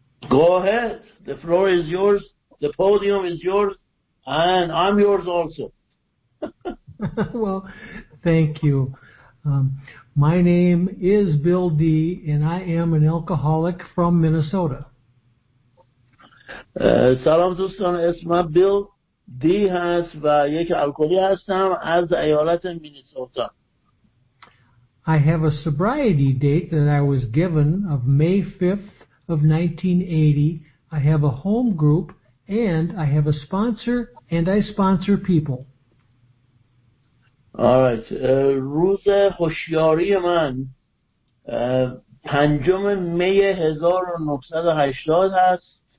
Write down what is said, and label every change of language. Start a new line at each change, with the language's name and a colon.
English: Go ahead. The floor is yours. The podium is yours. And I'm yours also. Well, thank you. My name is Bill D, and I am an alcoholic from Minnesota.
Persian: سلام دوستان، اسم من بیل دی هست و یک الکلی هستم از ایالت مینیسوتا.
English: I have a sobriety date that I was given of May 5th of 1980. I have a home group and I have a sponsor and I sponsor people.
Persian: Alright, روز هوشیاری من پنجم می 1980 هست.